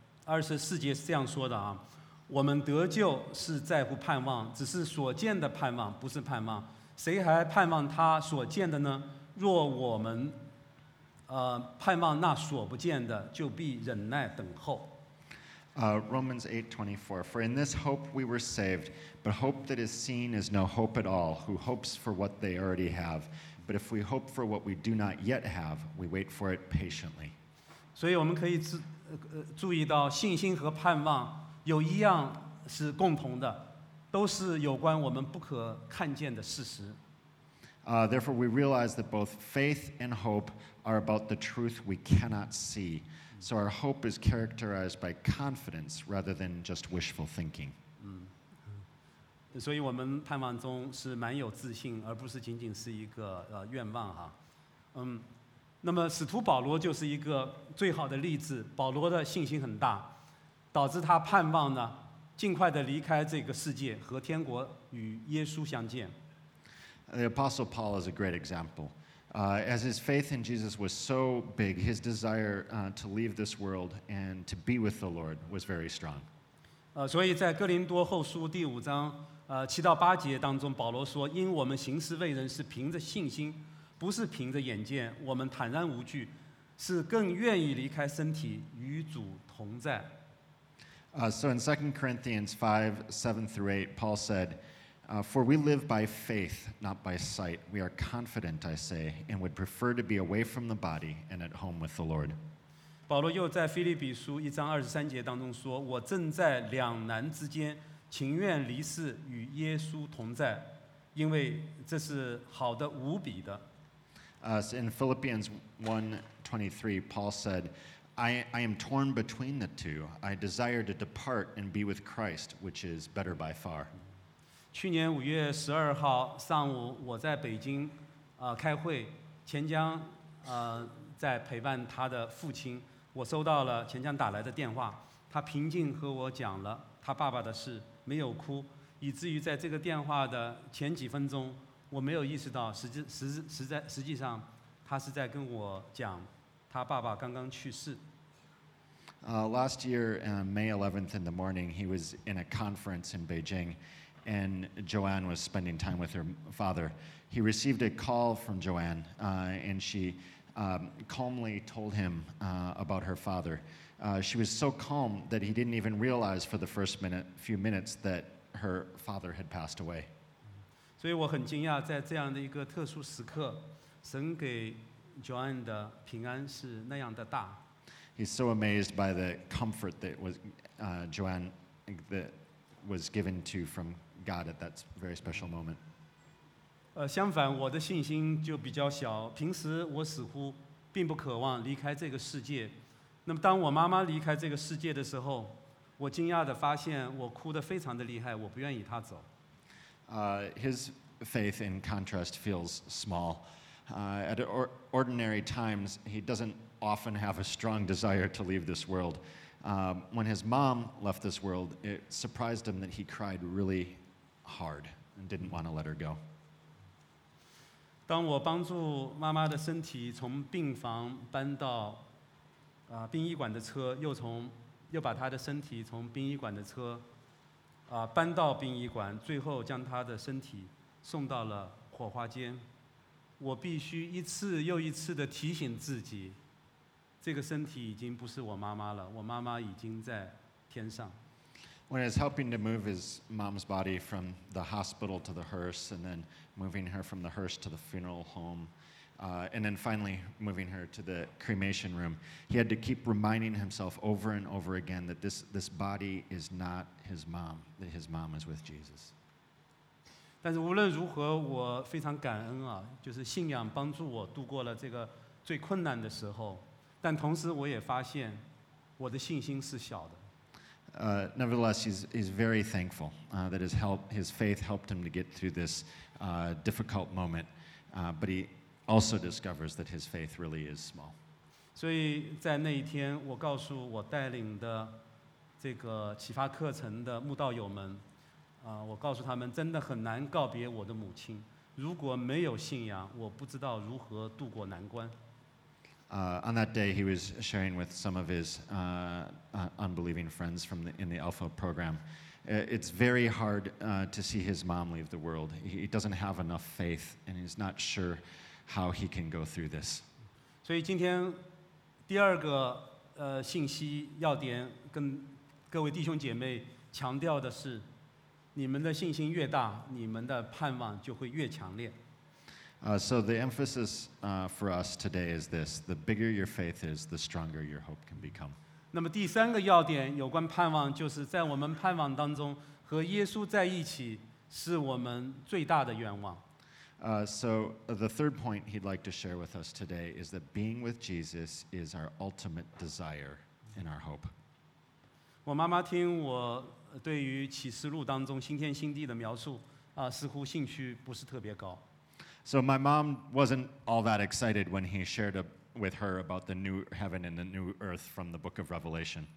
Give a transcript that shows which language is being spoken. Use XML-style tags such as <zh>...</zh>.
<zh>24节是这样说的啊，我们得救是在乎盼望，只是所见的盼望，不是盼望。谁还盼望他所见的呢？若我们盼望那所不见的，就必忍耐等候。</zh> <en>Romans 8:24. For in this hope we were saved, but hope that is seen is no hope at all. Who hopes for what they already have? But if we hope for what we do not yet have, we wait for it patiently.</en> <zh>所以我们可以注意到，信心和盼望有一样是共同的，都是有关我们不可看见的事实。</zh> <en>Therefore, we realize that both faith and hope are about the truth we cannot see. So our hope is characterized by confidence rather than just wishful thinking.</en> <zh>所以我们盼望中是蛮有自信，而不是仅仅是一个愿望哈。那么使徒保罗就是一个最好的例子。保罗的信心很大，导致他盼望呢尽快的离开这个世界，和天国与耶稣相见。</zh> <en>The Apostle Paul is a great example. As his faith in Jesus was so big, his desire to leave this world and to be with the Lord was very strong.</en> <zh>所以在哥林多后书第五章七到八节当中，保罗说，因我们行事为人是凭着信心，不是凭着眼见，我们坦然无惧，是更愿意离开身体与主同在。</zh> <en>So in 2 Corinthians 5:7-8, Paul said, For we live by faith, not by sight. We are confident, I say, and would prefer to be away from the body and at home with the Lord.</en> <zh>保罗又在腓立比书一章二十三节当中说，我正在两难之间，情愿离世与耶稣同在，因为这是好的无比的。</zh> <en>So in Philippians 1:23, Paul said, I am torn between the two. I desire to depart and be with Christ, which is better by far.</en> <zh>去年5月12号上午，我在北京开会，钱江在陪伴他的父亲。我收到了钱江打来的电话，他平静和我讲了他爸爸的事，没有哭，以至于在这个电话的前几分钟，我没有意识到实际上他是在跟我讲他爸爸刚刚去世。</zh> <en>Last year, May 11th in the morning, he was in a conference in Beijing, and Joanne was spending time with her father. He received a call from Joanne, and she calmly told him about her father. She was so calm that he didn't even realize for the first few minutes that her father had passed away.</en> <zh>所以我很惊讶，在这样的一个特殊时刻，神给 Joanne 的平安是那样的大。</zh> <en>He's so amazed by the comfort that was Joanne that was given to from God at that very special moment.</en> <zh>相反，我的信心就比较小。平时我似乎并不渴望离开这个世界。那么，当我妈妈离开这个世界的时候，我惊讶地发现，我哭得非常的厉害，我不愿意她走。</zh> <en>His faith, in contrast, feels small. At ordinary times, he doesn't often have a strong desire to leave this world. When his mom left this world, it surprised him that he cried really hard and didn't want to let her go.</en> <zh>当我帮助妈妈的身体从病房搬到殡仪馆的车，又把他的身体从殡仪馆的车搬到殡仪馆，最后将他的身体送到了火化间。我必须一次又一次地提醒自己，这个身体已经不是我妈妈了，我妈妈已经在天上。</zh> <en>When he's helping to move his mom's body from the hospital to the hearse, and then moving her from the hearse to the funeral home, and then finally moving her to the cremation room, he had to keep reminding himself over and over again that this body is not his mom, that his mom is with Jesus.</en> <zh>但是无论如何，我非常感恩啊，就是信仰帮助我度过了这个最困难的时候。但同时我也发现我的信心是小的。</zh> <en>Nevertheless, he's very thankful that his faith helped him to get through this difficult moment. But he also discovers that his faith really is small.</en> <zh>所以在那一天，我告诉我带领的这个启发课程的慕道友们，我告诉他们，真的很难告别我的母亲。如果没有信仰，我不知道如何度过难关。</zh> <en>On that day, he was sharing with some of his unbelieving friends from in the Alpha program. It's very hard to see his mom leave the world. He doesn't have enough faith, and he's not sure how he can go through this.</en> <zh>所以今天第二个信息要点跟各位弟兄姐妹强调的是，你们的信心越大，你们的盼望就会越强烈。</zh> <en>So the emphasis for us today is this: the bigger your faith is, the stronger your hope can become.</en> <zh>那么第三个要点有关盼望，就是在我们盼望当中和耶稣在一起是我们最大的愿望。</zh> <en>So the third point he'd like to share with us today is that being with Jesus is our ultimate desire and our hope.</en> <zh>我妈妈听我对于启示录当中新天新地的描述，似乎兴趣不是特别高。</zh> <en>So my mom wasn't all that excited when he shared with her about the new heaven and the new earth from the book of Revelation.</en>